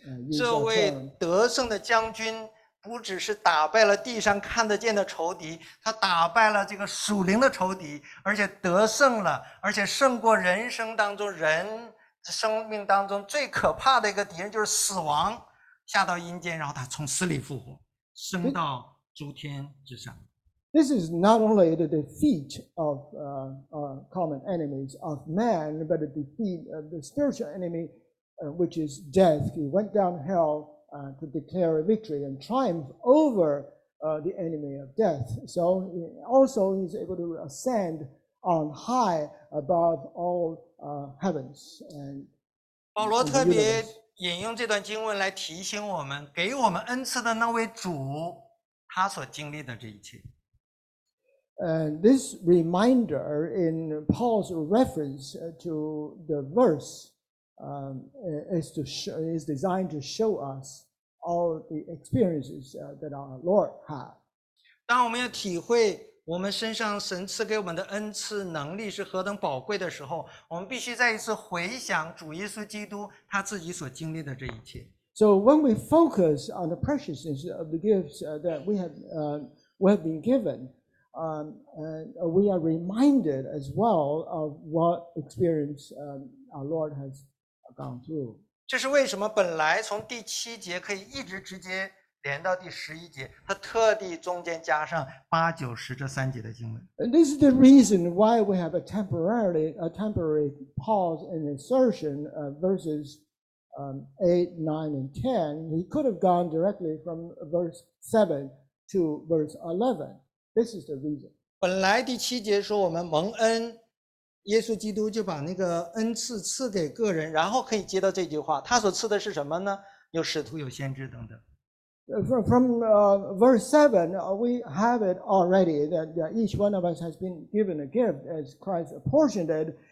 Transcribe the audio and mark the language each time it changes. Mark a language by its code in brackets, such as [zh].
[zh] 这位得胜的将军不只是打败了地上看得见的仇敌，他打败了这个属灵的仇敌，而且得胜了，而且胜过人生当中人。生命当中最可怕的一个敌人就是死亡下到阴间然后他从死里复活升到诸天之上。 [en] This is not only the defeat of common enemies of man, but the defeat of the spiritual enemy, which is death. He went down hell to declare a victory and triumph over the enemy of death. So also he's able to ascend on high above all heavens and [zh] 保罗特别引用这段经文来提醒我们给我们恩赐的那位主他所经历的这一切。 [en] And this reminder in Paul's reference to the verse is designed to show us all the experiences that our Lord had. [zh] 当我们要体会我们身上神赐给我们的恩赐能力是何等宝贵的时候我们必须再一次回想主耶稣基督他自己所经历的这一切。 [en] So when we focus on the preciousness of the gifts that we have been given, we are reminded as well of what experience our Lord has gone through. [zh] 这是为什么本来从第七节可以一直直接连到第十一节，他特地中间加上八、九、十这三节的经文。 [en] And this is the reason why we have a temporary pause and insertion of verses 8, 9, and 10. He could have gone directly from verse 7 to verse 11. This is the reason. [zh] 本来第七节说我们蒙恩，耶稣基督就把那个恩赐赐给个人，然后可以接到这句话。他所赐的是什么呢？有使徒，有先知等等。 [en] From verse 7, we have it already that each one of us has been given a gift as Christ apportioned it.